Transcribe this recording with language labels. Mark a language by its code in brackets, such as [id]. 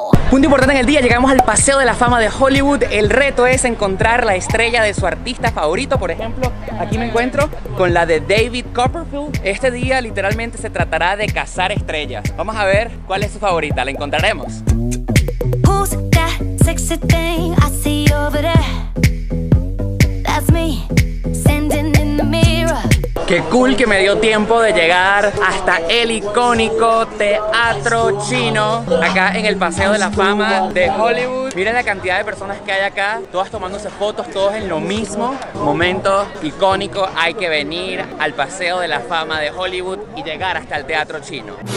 [es] Punto importante en el día, llegamos al Paseo de la Fama de Hollywood. El reto es encontrar la estrella de su artista favorito. Por ejemplo, aquí me encuentro con la de David Copperfield. Este día literalmente se tratará de cazar estrellas. Vamos a ver cuál es su favorita, la encontraremos. [en] Who's that sexy thing I see over there? That's me, standing in the mirror. [es] Qué cool que me dio tiempo de llegar hasta el icónico teatro chino acá en el Paseo de la Fama de Hollywood. Miren la cantidad de personas que hay acá, todas tomándose fotos, todos en lo mismo. Momento icónico, hay que venir al Paseo de la Fama de Hollywood y llegar hasta el teatro chino.